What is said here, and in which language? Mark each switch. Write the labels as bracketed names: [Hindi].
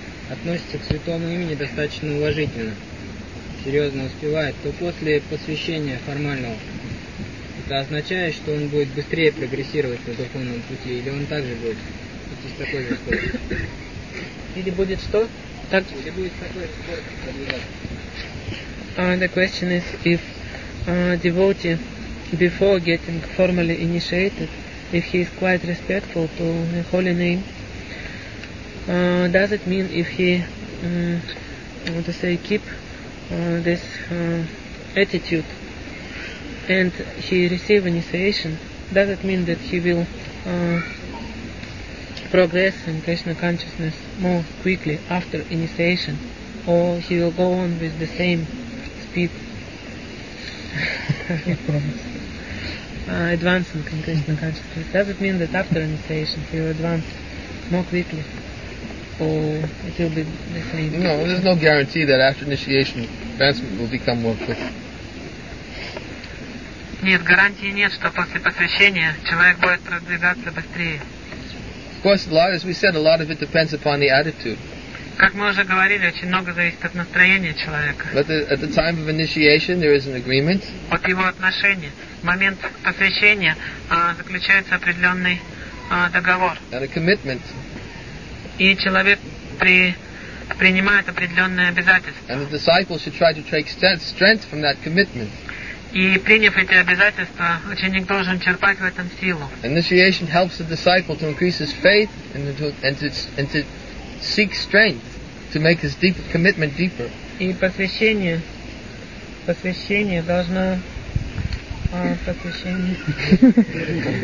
[Russian] Относится к святому имени достаточно уважительно, серьезно успевает, то после посвящения формального. Это означает, что он будет быстрее прогрессировать на духовном пути, или он также будет идти с такой же скоростью? Или будет что? Так. Или будет с такой же скоростью? [English] The question is, if a devotee, before getting formally initiated, if he is quite respectful to the holy name, does it mean if he keep this attitude and he receive initiation, does it mean that he will progress in Krishna consciousness more quickly after initiation, or he will go on with the same speed advancing in Krishna consciousness? Does it mean that after initiation he will advance more quickly, or it will be the same? No, there's no guarantee that after initiation advancement will become more quick. [Russian] Нет, гарантии нет, что после посвящения человек будет продвигаться быстрее. [English] Of course, a lot, as we said, a lot of it depends upon the attitude. [Russian] Как мы уже говорили, очень много зависит от настроения человека. [English] But at the time of initiation, there is an agreement. [Russian] От его отношения. В момент посвящения заключается определенный договор. [English] And a commitment. [Russian] И человек принимает определенные обязательства. [English] And the disciple should try to take strength from that commitment. [Russian] И приняв эти обязательства, ученик должен черпать в этом силу. [English] Initiation helps the disciple to increase his faith and to seek strength to make his deep commitment deeper. [Russian] И посвящение должно посвящение.